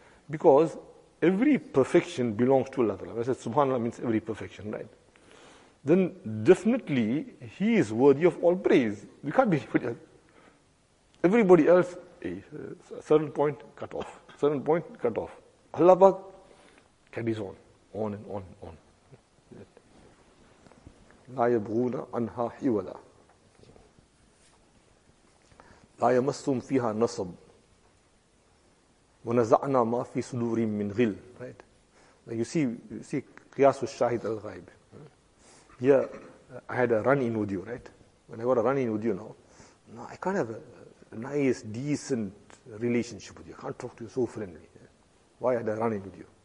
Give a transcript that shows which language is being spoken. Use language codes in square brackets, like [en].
[en] Because every perfection belongs to Allah. When I said Subhanallah means every perfection, right? Then definitely he is worthy of all praise. You can't be anybody else. Everybody else, a certain point, cut off. Certain point, cut off. Allah Pak carries on and on and on. [ar] لا يبغون عنها حولا لا يمسهم فيها نصب ونزعنا ما في صدورهم من غل. [en] Right? Like you see [ar] قياس الشاهد الغائب. [en] Here, I had a run-in with you, right? When I got a run-in with you now, I can't have a nice, decent relationship with you. I can't talk to you so friendly. Why I had a run-in with you?